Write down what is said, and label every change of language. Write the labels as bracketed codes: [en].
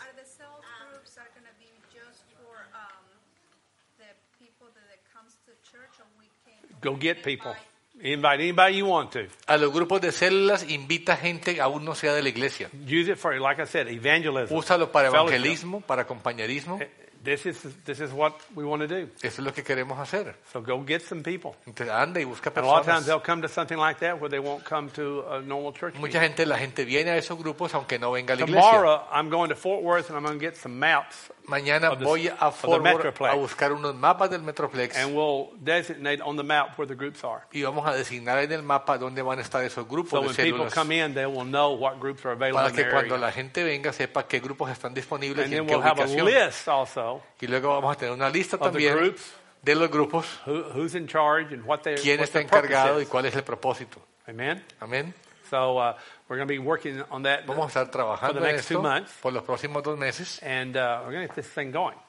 [en] Are the cell groups are going to be just for the people that comes to church on weekend? Go get people. Invite anybody you want to. [es] A los grupos de células invita gente aún no sea de la iglesia. [en] Use it for, like I said, evangelism. [es] Úsalo para evangelismo, para compañerismo. [en] This is what we want to do. [es] Eso es lo que queremos hacer. [en] So go get some people. [es] Entonces, ande y busca personas. [en] And a lot of times they'll come to something like that where they won't come to a normal church. [es] Mucha gente, la gente viene a esos grupos aunque no venga a la iglesia. [en] Tomorrow I'm going to Fort Worth and I'm going to get some maps. [es] Mañana voy a Fort Worth a buscar unos mapas del Metroplex. [en] And we'll designate on the map where the groups are. [es] Y vamos a designar en el mapa dónde van a estar esos grupos. [en] So when people come in, they will know what groups are available. [es] Para que cuando la gente venga sepa qué grupos están disponibles y en qué ubicación. [en] And then we'll have a list also. [es] Y luego vamos a tener una lista también de los grupos, [en] who's in charge and what they're, [es] quién está encargado y cuál es el propósito. Amen. Amen. [en] So we're going to be working on that. [es] Vamos a estar trabajando [en] for the next 2 months, [es] por los próximos dos meses. [en] And we're going to get this thing going.